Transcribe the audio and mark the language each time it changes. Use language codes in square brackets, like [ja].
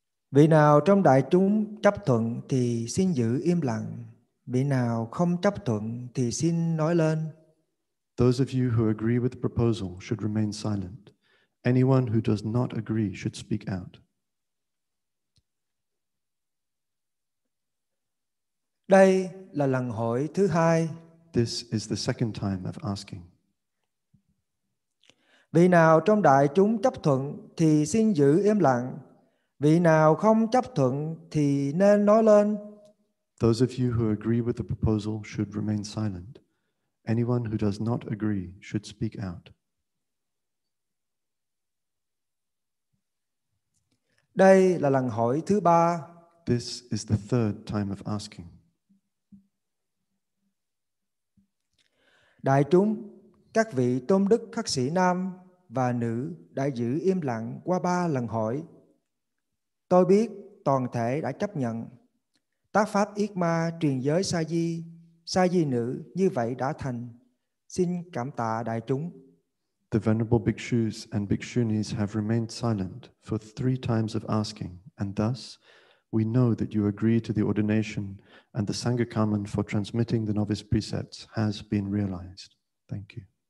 [vi] Vị nào trong đại chúng chấp thuận thì xin giữ im lặng. Vị nào không chấp thuận thì xin nói lên. [en] Those of you who agree with the proposal should remain silent. Anyone who does not agree should speak out. [vi] Đây là lần hỏi thứ hai. [en] This is the second time of asking. [vi] Vị nào trong đại chúng chấp thuận thì xin giữ im lặng. Vị nào không chấp thuận thì nên nói lên. [en] Those of you who agree with the proposal should remain silent. Anyone who does not agree should speak out. [vi] Đây là lần hỏi thứ ba. [en] This is the third time of asking. [vi] Đại chúng, các vị tôn đức khất sĩ nam và nữ đã giữ im lặng qua ba lần hỏi. Tôi biết toàn thể đã chấp nhận tác pháp yết ma truyền giới sa di nữ như vậy đã thành. Xin cảm tạ đại chúng. [en] The venerable bhikshus and bhikshunis have remained silent for three times of asking, and thus we know that you agree to the ordination and the sangakarman for transmitting the novice precepts has been realized. Thank you.